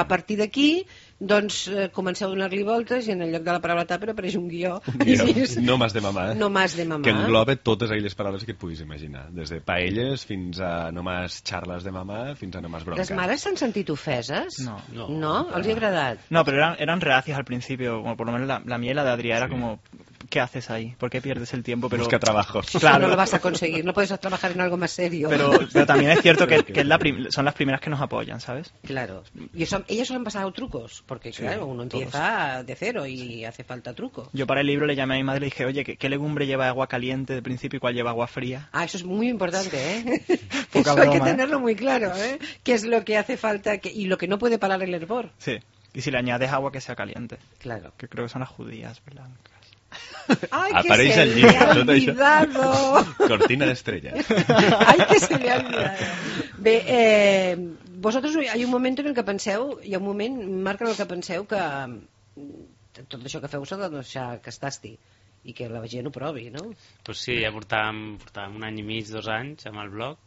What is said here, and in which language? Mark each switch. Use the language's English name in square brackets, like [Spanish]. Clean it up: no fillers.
[Catalan] A partir d'aquí, doncs, comenceu a donar-li voltes i en el lloc de la paraula tàper apareix un guió. [Spanish] No más de mamà. No más de mamà. [Catalan] Que englobe totes aquelles paraules que et puguis imaginar. Des de paelles fins a no más charles de mamà, fins a no más bronca. Les mares s'han sentit ofeses? No. No? Els hi ha agradat? No, però eren reacias al principi. [Spanish] Bueno, por lo menos la mía y la de Adrià era como... ¿Qué haces ahí? ¿Por qué pierdes el tiempo? Pero... Busca trabajo. Claro. No lo vas a conseguir, no puedes trabajar en algo más serio. Pero también es cierto que es son las primeras que nos apoyan, ¿sabes? Claro. Y eso, ellas os han pasado trucos, porque sí, claro, uno empieza todos de cero y hace falta truco. Yo para el libro le llamé a mi madre y le dije, oye, ¿qué legumbre lleva agua caliente de principio y cuál lleva agua fría? Ah, eso es muy importante, ¿eh? Poca broma, eso hay que tenerlo muy claro, ¿eh? ¿Qué es lo que hace falta y lo que no puede parar el hervor? Sí. Y si le añades agua que sea caliente. Claro. Que creo que son las judías blancas. [Catalan] Ay, apareix que se li ha olvidado. Cortina d'estrella. Ay, que se li ha olvidado. Bé, vosaltres hi ha un moment en el que penseu, hi ha un moment, marca el que penseu, que tot això que feu s'ha de deixar que es tasti i que la gent ho provi, no? Pues sí, ja portàvem un any i mig, dos anys amb el blog.